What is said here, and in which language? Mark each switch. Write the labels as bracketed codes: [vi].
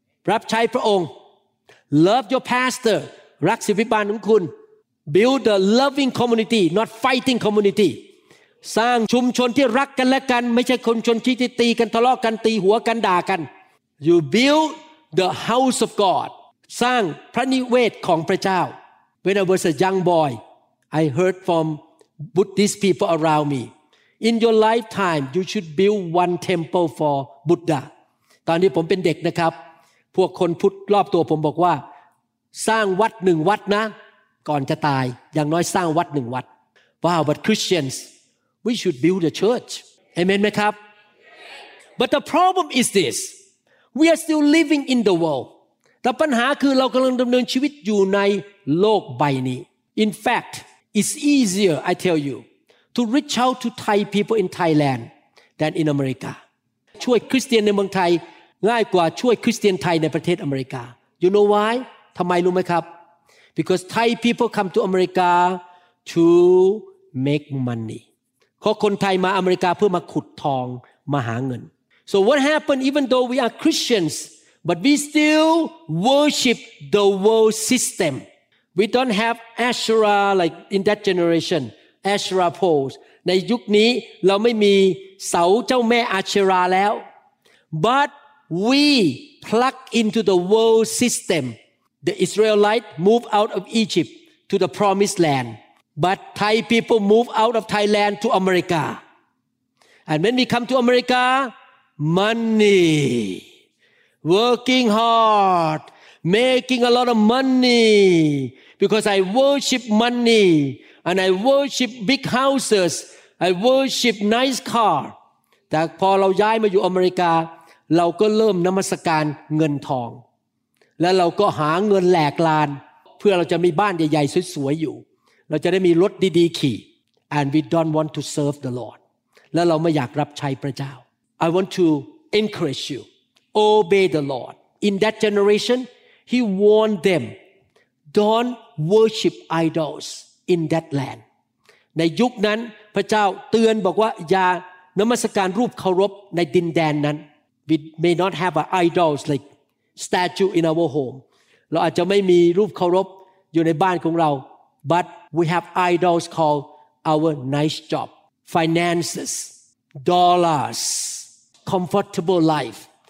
[th] รับใช้พระองค์ [en] love your pastor [th] รักศิษย์ภิบาลของคุณ [en] build a loving community not fighting community [th] สร้างชุมชนที่รักกันและกันไม่ใช่คนชนที่ตีกันทะเลาะกันตีหัวกันด่ากัน [en] you build the house of God [th] สร้างพระนิเวศของพระเจ้า [en] when I was a young boy I heard from Buddhist people around meIn your lifetime, you should build one temple for Buddha. [th] ตอนนี้ผมเป็นเด็กนะครับพวกคนพุทธรอบตัวผมบอกว่าสร้างวัดหนึ่งวัดนะก่อนจะตายอย่างน้อยสร้างวัดหนึ่งวัด [en] Wow, but Christians, we should build the church. Amen ไหมครับ But the problem is this. We are still living in the world. [th] แต่ปัญหาคือเรากำลังดำเนินชีวิตอยู่ในโลกใบนี้ [en] In fact, it's easier, I tell you. To reach out to Thai people in Thailand than in America. [th] ช่วยคริสเตียนในเมืองไทยง่ายกว่าช่วยคริสเตียนไทยในประเทศอเมริกา [en] You know why? [th] ทำไมรู้ไหมครับ [en] Because Thai people come to America to make money. [th] เพราะคนไทยมาอเมริกาเพื่อมาขุดทองมาหาเงิน [en] So what happened? Even though we are Christians, but we still worship the world system. We don't have Asherah like in that generation. Asherah poles [th] ในยุคนี้เราไม่มีเสาเจ้าแม่อาเชราแล้ว [en] but we plug into the world system the Israelites move out of Egypt to the promised land but Thai people move out of Thailand to America and when we come to America money working hard making a lot of money because I worship moneyAnd I worship big houses. I worship nice car. [th] แต่พอเราย้ายมาอยู่อเมริกาเราก็เริ่มนมัสการเงินทองและเราก็หาเงินแหลกลานเพื่อเราจะมีบ้านใหญ่ๆสวยๆอยู่เราจะได้มีรถดีๆขี่ [en] And we don't want to serve the Lord. และเราไม่อยากรับใช้พระเจ้า I want to encourage you. Obey the Lord. In that generation, he warned them, don't worship idols. In that land, [th] ในยุคนั้นพระเจ้าเตือนบอกว่าอย่านมัสการรูปเคารพในดินแดนนั้น [en] We may not have an idols like statue in our home. [th] เราอาจจะไม่มีรูปเคารพอยู่ในบ้านของเรา [en] But we have idols called our nice job, finances, dollars, comfortable life.